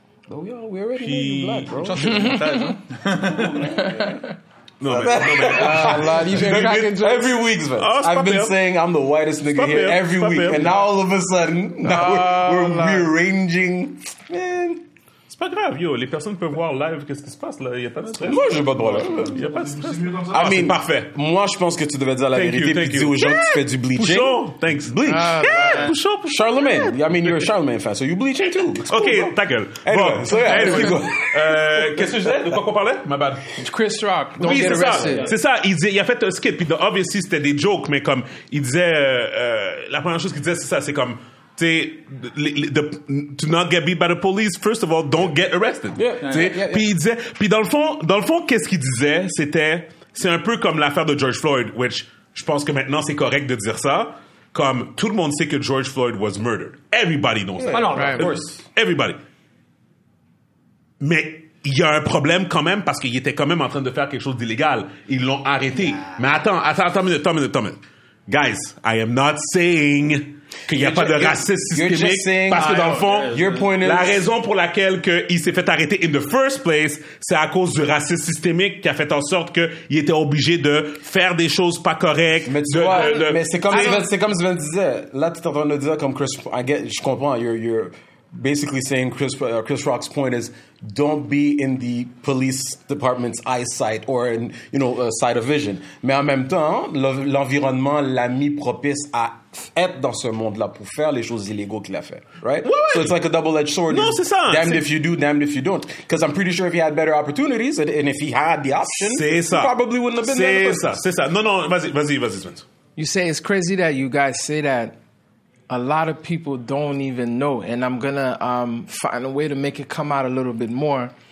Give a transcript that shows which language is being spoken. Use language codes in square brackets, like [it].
[en] Oh yeah, we already know you're black, bro. every week, man. I've been saying I'm the whitest nigga here every week, and now all of a sudden, we're rearranging. Man, it's pas grave, yo. [fr] Les personnes peuvent voir live qu'est-ce qui se passe là. Il y a pas de stress. Moi, j'ai pas de droit là. Il y a pas de stress. [en] I mean, [fr] parfait. Moi, je pense que tu devais dire la vérité et dire aux gens que tu fais du bleaching. [en] Thanks, bleach. Pouchon. Charlemagne. I mean, you're a Charlemagne fan, so you bleaching too. [fr] Okay, ta gueule. [en] Anyway, so yeah, let's go. [fr] Qu'est-ce que je disais? De quoi qu'on parlait? [en] My bad. Chris Rock. Don't get arrested. [fr] C'est ça. Il a fait un skit. Puis, obviously, c'était des jokes, mais comme il disait, la première chose qu'il disait, c'est ça. [en] C'est comme to not get beat by the police, first of all, don't get arrested. [fr] Puis dans le fond, qu'est-ce qu'il disait? C'est un peu comme l'affaire de George Floyd, which je pense que maintenant c'est correct de dire ça. [en] Comme tout le monde sait que George Floyd was murdered. Everybody knows that. Everybody. [fr] Mais il y a un problème quand même parce qu'il était quand même en train de faire quelque chose d'illégal. Ils l'ont arrêté. Mais attends une minute. Guys, I am not saying. Qu'il n'y a pas de racisme systémique. Parce que dans le fond, la raison pour laquelle il s'est fait arrêter in the first place, c'est à cause du racisme systémique qui a fait en sorte qu'il était obligé de faire des choses pas correctes. Mais c'est comme Sven disait. [en] Là, tu es en train de dire comme Chris, je comprends, you're basically saying Chris Rock's point is don't be in the police department's eyesight or in, you know, sight of vision. [fr] Mais en même temps, l'environnement l'a mis propice à être dans ce monde-là pour faire les choses illégaux qu'il a fait, right? Ouais. [en] So it's like a double-edged sword. [fr] Non, c'est ça. [en] Damned if you do, damned if you don't. Because I'm pretty sure if he had better opportunities and if he had the option, [fr] c'est ça. [en] He probably wouldn't have been [fr] c'est [en] there. [fr] C'est ça. Non, vas-y, Spence. [en] You say it's crazy that you guys say that a lot of people don't even know, and I'm going to find a way to make it come out a little bit more.